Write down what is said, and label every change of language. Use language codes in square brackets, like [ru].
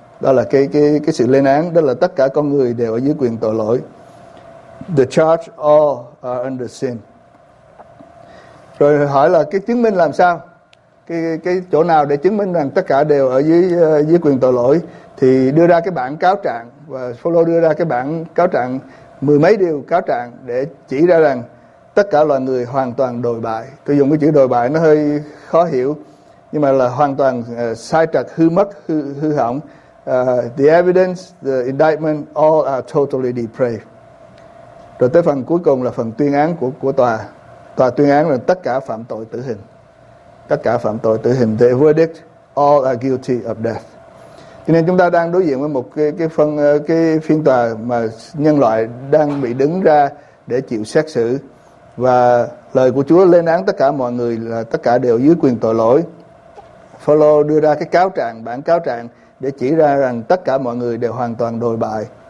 [vi] Đó là cái sự lên án, đó là tất cả con người đều ở dưới quyền tội lỗi. [en] The charge, all are under sin. [vi] Rồi hỏi là cái chứng minh làm sao, cái chỗ nào để chứng minh rằng tất cả đều ở dưới quyền tội lỗi, thì đưa ra cái bản cáo trạng. Và Phaolô đưa ra cái bản cáo trạng mười mấy điều cáo trạng để chỉ ra rằng tất cả loài người hoàn toàn đồi bại. Tôi dùng cái chữ đồi bại nó hơi khó hiểu, nhưng mà là hoàn toàn sai trật, hư mất, hư hỏng. [en] The evidence, the indictment, all are totally depraved. [vi] Rồi tới phần cuối cùng là phần tuyên án của tòa. Tòa tuyên án là tất cả phạm tội tử hình. Tất cả phạm tội tử hình. [en] The verdict, all are guilty of death. [vi] Cho nên chúng ta đang đối diện với một cái phiên tòa mà nhân loại đang bị đứng ra để chịu xét xử. Và lời của Chúa lên án tất cả mọi người là tất cả đều dưới quyền tội lỗi. Phaolô đưa ra cái cáo trạng, bản cáo trạng để chỉ ra rằng tất cả mọi người đều hoàn toàn đồi bại.